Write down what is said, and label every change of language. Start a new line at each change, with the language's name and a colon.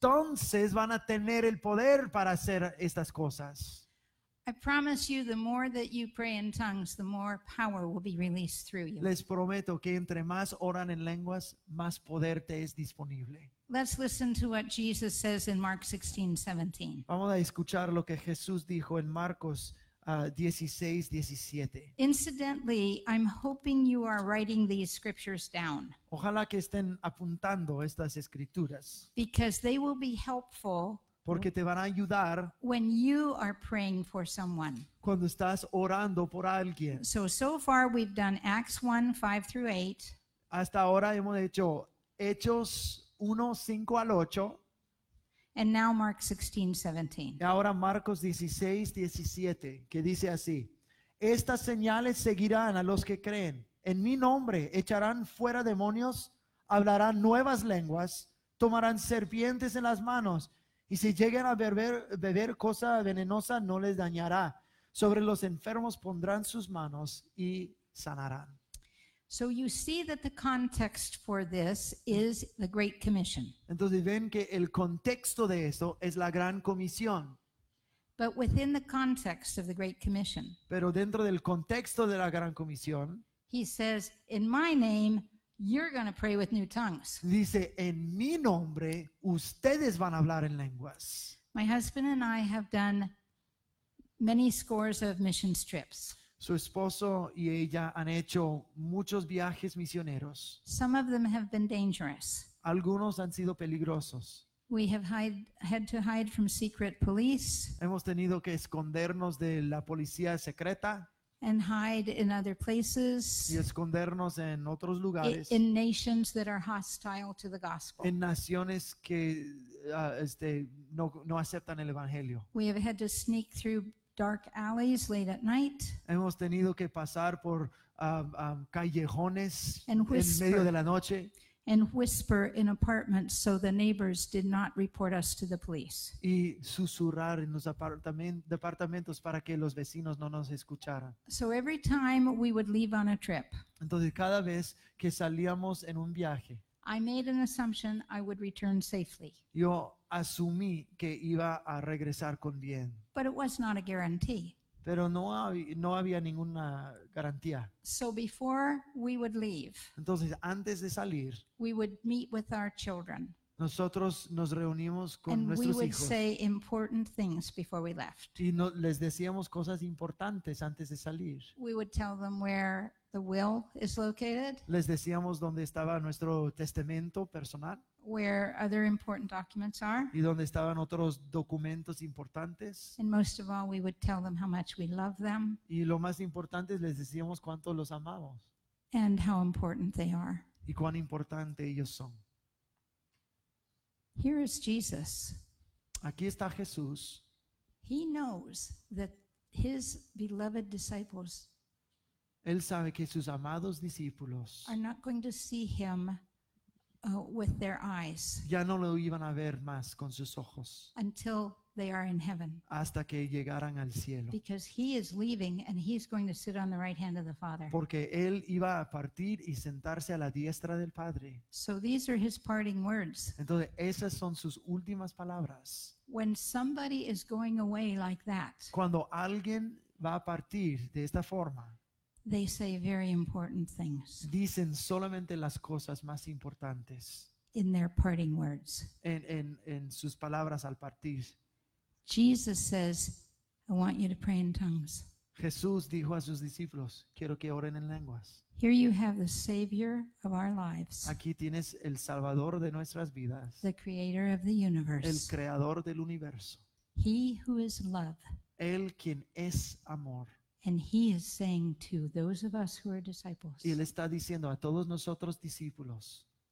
Spanish: Entonces van a tener el poder para hacer estas cosas.
English: I promise you, the more that you pray in tongues, the more power will be released through you.
Spanish: Les prometo que entre más oran en lenguas, más poder te es disponible.
English: Let's listen to what Jesus says in Mark 16:17.
Spanish: Vamos a escuchar lo que Jesús dijo en Marcos 16:17.
English: Incidentally, I'm hoping you are writing these scriptures down.
Spanish: Ojalá que estén apuntando estas escrituras.
English: Because they will be helpful.
Spanish: Porque te van a ayudar.
English: When you are praying for someone.
Spanish: Cuando estás orando por alguien.
English: So far we've done Acts 1:5-8.
Spanish: Hasta ahora hemos hecho Hechos 1:5-8.
English: And now Mark 16:17.
Spanish: Ahora Marcos 16:17, que dice así. Estas señales seguirán a los que creen. En mi nombre echarán fuera demonios, hablarán nuevas lenguas, tomarán serpientes en las manos, y si llegan a beber cosa venenosa, no les dañará. Sobre los enfermos pondrán sus manos y sanarán.
English: So you see that the context for this is the Great Commission.
Spanish: Entonces ven que el contexto de esto es la Gran Comisión.
English: But within the context of the Great Commission.
Spanish: Pero dentro del contexto de la Gran Comisión.
English: He says, in my name, you're going to pray with new tongues.
Spanish: Dice, en mi nombre, ustedes van a hablar en lenguas.
English: My husband and I have done many scores of missions trips.
Spanish: Su esposo y ella han hecho muchos viajes misioneros.
English: Some of them have been dangerous.
Spanish: Algunos han sido peligrosos.
English: We have had to hide from secret police.
Spanish: Hemos tenido que escondernos de la policía secreta.
English: And hide in other places.
Spanish: Y escondernos en otros lugares.
English: In nations that are hostile to the gospel.
Spanish: En naciones que no aceptan el evangelio.
English: We have had to sneak through dark alleys late at night.
Spanish: Hemos tenido que pasar por callejones en medio de la noche.
English: And whisper in apartments so the neighbors did not report us to the police.
Spanish: Y susurrar en los departamentos para que los vecinos no nos escucharan.
English: So every time we would leave on a trip.
Spanish: Entonces cada vez que salíamos en un viaje.
English: I made an assumption I would return safely.
Spanish: Yo asumí que iba a regresar con bien.
English: But it was not a guarantee.
Spanish: Pero no había ninguna garantía.
English: So before we would leave,
Spanish: entonces antes de salir,
English: we would meet with our children.
Spanish: Nosotros nos reunimos con nuestros hijos.
English: And we would say important things before we left.
Spanish: Y no, les decíamos cosas importantes antes de salir.
English: We would tell them where the will is located.
Spanish: Les decíamos dónde estaba nuestro testamento personal.
English: Where other important documents are.
Spanish: Y dónde estaban otros documentos importantes.
English: And most of all, we would tell them how much we love them.
Spanish: Y lo más importante es les decíamos cuánto los amamos.
English: And how important they are.
Spanish: Y cuán importante ellos son.
English: Here is Jesus.
Spanish: Aquí está Jesús.
English: He knows that his beloved disciples.
Spanish: Él sabe que sus amados discípulos.
English: Are not going to see him. With their eyes.
Spanish: Ya no lo iban a ver más con sus ojos.
English: Until they are in heaven.
Spanish: Hasta que llegaran al cielo.
English: Because he is leaving and he's going to sit on the right hand of the Father.
Spanish: Porque él iba a partir y sentarse a la diestra del Padre.
English: So these are his parting words.
Spanish: Entonces esas son sus últimas palabras.
English: When somebody is going away like that.
Spanish: Cuando alguien va a partir de esta forma.
English: They say very important things.
Spanish: Dicen solamente las cosas más importantes.
English: In their parting words.
Spanish: En sus palabras al partir.
English: Jesus says, I want you to pray in tongues.
Spanish: Jesús dijo a sus discípulos, quiero que oren en lenguas.
English: Here you have the Savior of our lives.
Spanish: Aquí tienes el Salvador de nuestras vidas.
English: The Creator of the universe.
Spanish: El Creador del universo.
English: He who is love.
Spanish: Él quien es amor.
English: And he is saying to those of us who are disciples.
Spanish: Y él está diciendo a todos nosotros discípulos.